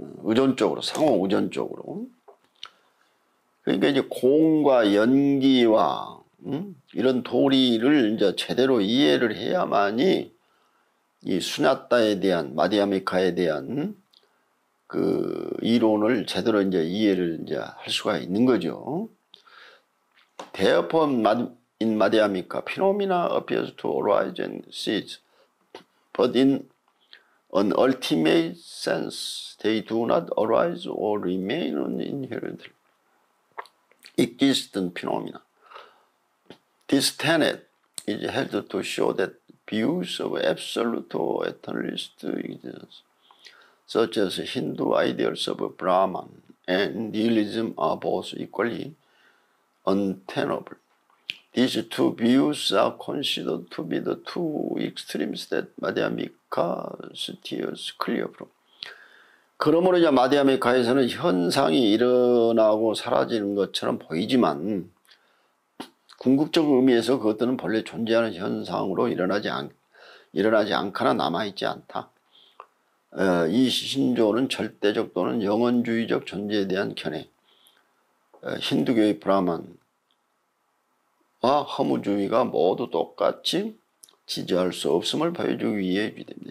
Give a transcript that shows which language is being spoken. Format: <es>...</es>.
<ko>의존적으로, 상호 의존적으로. 그러니까 이제 공과 연기와 이런 도리를 이제 제대로 이해를 해야만이 이 수냐따에 대한, 마디아미카에 대한 그 이론을 제대로 이제 이해를 이제 할 수가 있는 거죠. 대어폰</ko> <en>in Madhyamika, phenomena appears to arise and cease, but in an ultimate sense, they do not arise or remain inherent. Existent phenomena. This tenet is held to show that views of absolute or eternalist existence, such as Hindu ideals of Brahman and nihilism, are both equally untenable. These two views are considered to be the two extremes that Madhyamika steers clear from.</en> <ko>그러므로 이제 마디아미카에서는 현상이 일어나고 사라지는 것처럼 보이지만 궁극적 의미에서 그것들은 본래 존재하는 현상으로 일어나지 않거나 남아있지 않다. 이 신조는 절대적 또는 영원주의적 존재에 대한 견해, 힌두교의 브라만 와 허무주의가 모두 똑같이 지지할 수 없음을 보여주기 위해 유지됩니다.</ko>